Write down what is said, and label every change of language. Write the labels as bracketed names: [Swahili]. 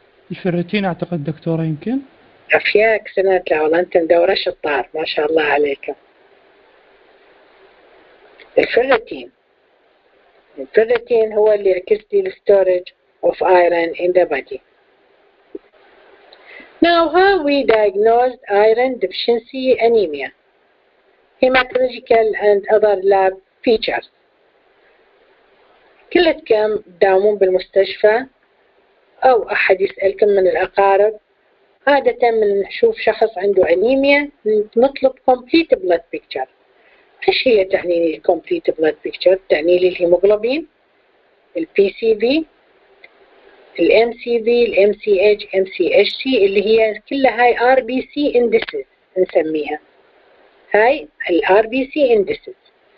[Arabic] الفيرتين اعتقد دكتوره يمكن عافيك سنات لا والله انت مدوره شطار ما شاء الله عليك الفيرتين هو اللي يعكس لي [English] الستورج of iron in the body. Now how we diagnosed iron deficiency anemia hematological and other lab features. [Arabic] كلكم تداومون بالمستشفى او احد يسالكم من الاقارب عادة من نشوف شخص عنده انيميا نطلب [English] complete blood picture. [Arabic] ايش هي تعني لي [English] complete blood picture؟ [Arabic] تعني لي الهيموغلوبين البي سي في الام سي في الام سي اتش ام سي اتش سي اللي هي كلها هاي ار بي سي اندسز نسميها هاي ال RBC indices.